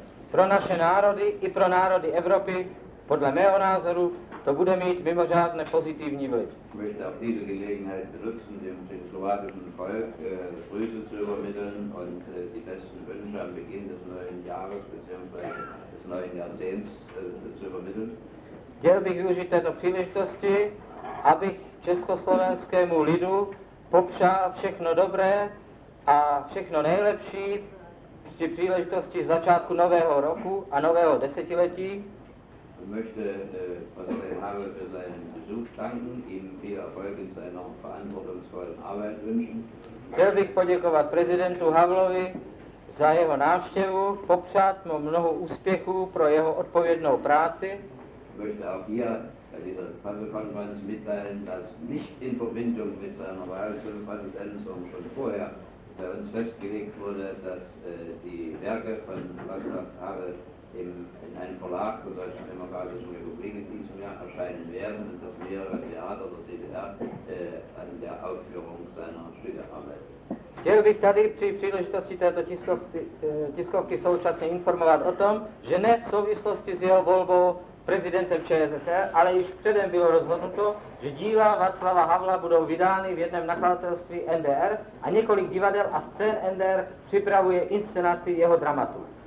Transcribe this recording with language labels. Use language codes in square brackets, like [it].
[cs] Pro naše národy i pro národy Evropy, podle mého názoru, to bude mít mimořádně pozitivní vliv. [de] Möchte auf diese Gelegenheit benutzen, dem tschechoslowakischen Volk Grüße zu übermitteln und die besten Wünsche am Beginn des neuen Jahres bzw. des neuen Jahrzehnts zu übermitteln. [cs] Chtěl bych využít této příležitosti, abych československému lidu popřál všechno dobré a všechno nejlepší při příležitosti začátku nového roku a nového desetiletí. [de] Ich möchte Präsident Havel für seinen Besuch danken, ihm viel Erfolg in seiner verantwortungsvollen Arbeit wünschen. [cs] Chtěl bych poděkovat prezidentu Havlovi za jeho návštěvu, popřát mu mnoho úspěchů pro jeho odpovědnou práci. [de] Ich möchte auch hier bei dieser Pressekonferenz mitteilen, dass nicht in Verbindung mit seiner Wahl zum Präsidenten, sondern schon vorher bei uns festgelegt wurde, dass die Werke von Václav Havel in einem Verlag der Deutschen Demokratischen Republik in diesem Jahr erscheinen werden und das mehrere Theater der DDR an der Aufführung seiner Stücke arbeitet. [cs] Chtěl bych tady při příležitosti této tiskovky současně informovat o tom, že ne v souvislosti s jeho volbou prezidentem ČSSR, ale již předem bylo rozhodnuto, že díla Václava Havla budou vydány v jednom nakladatelství NDR a několik divadel a scén NDR připravuje inscenaci jeho dramatu.